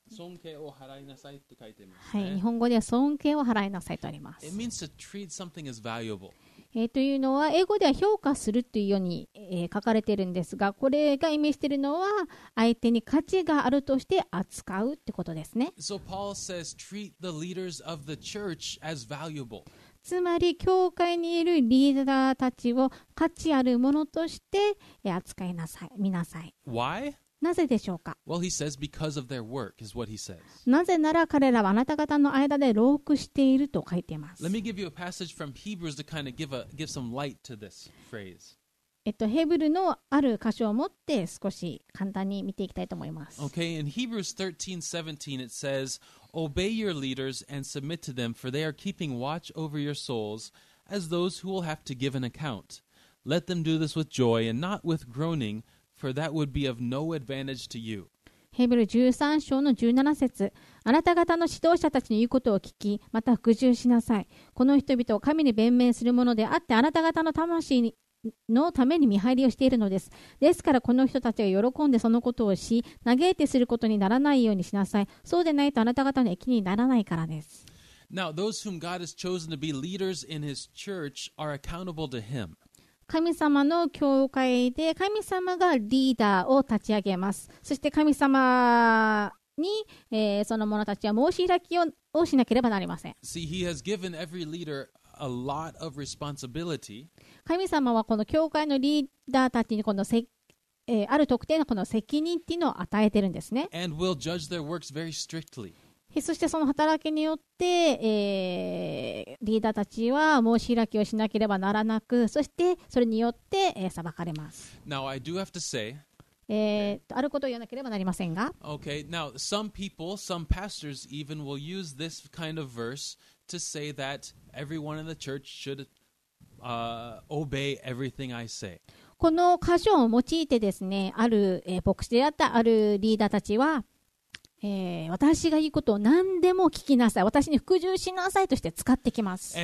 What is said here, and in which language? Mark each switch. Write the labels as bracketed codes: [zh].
[ja] 尊敬を払いなさいと書いてますね。はい、日本語では尊敬を払いなさいとあります。 [en] It means to treat something as valuable. [ja] というのは英語では評価するというように、書かれているんですが、これが意味しているのは相手に価値があるとして扱うってことですね。 [en] So Paul says, treat the leaders of the church as valuable. [ja] つまり教会にいるリーダーたちを価値あるものとして扱いなさい、見なさい。 [en] Why? [ja] なぜでしょうか。 [en] Well, he says because of their work is what he says. [ja] なぜなら彼らはあなた方の間で労苦していると書いています。 [en] Let me give you a passage from Hebrews to kind of give some light to this phrase. [ja] ヘブルのある箇所を持って少し簡単に見ていきたいと思います。 [en] Okay, in Hebrews 13:17 it says, "Obey your leaders and submit to them, for they are keeping watch over your souls as those who will have to give an account. Let them do this with joy and not with groaning." For that would be of no advantage to you. [ja] ヘブル13章の17節、あなた方の指導者たちの言うことを聞き、また服従しなさい。この人々を神に弁明するものであって、あなた方の魂のために見張りをしているのです。ですからこの人たちが喜んでそのことをし、嘆いてすることにならないようにしなさい。そうでないとあなた方の益にならないからです。 [en] Now, those whom God has chosen to be leaders in His church are accountable to Him. [ja] 神様の教会で神様がリーダーを立ち上げます。そして神様に、その者たちは申し開き をしなければなりません。 [en] See, he has given every leader a lot of responsibility. [ja] 神様はこの教会のリーダーたちにこの、ある特定のこの責任っていうのを与えてるんですね。 [en] And will judge their works very strictly. [ja] そしてその働きによって、リーダーたちは申し開きをしなければならなく、そしてそれによって、裁かれます。 [en] Now, I do have to say, [ja] あることを言わなければなりませんが、 [en] Okay, now, some people, some pastors even will use this kind of verse to say that everyone in the church should, obey everything I say. [ja] この箇所を用いてですね、ある、牧師であったあるリーダーたちは、私が言うことを何でも聞きなさい、私に服従しなさいとして使ってきます。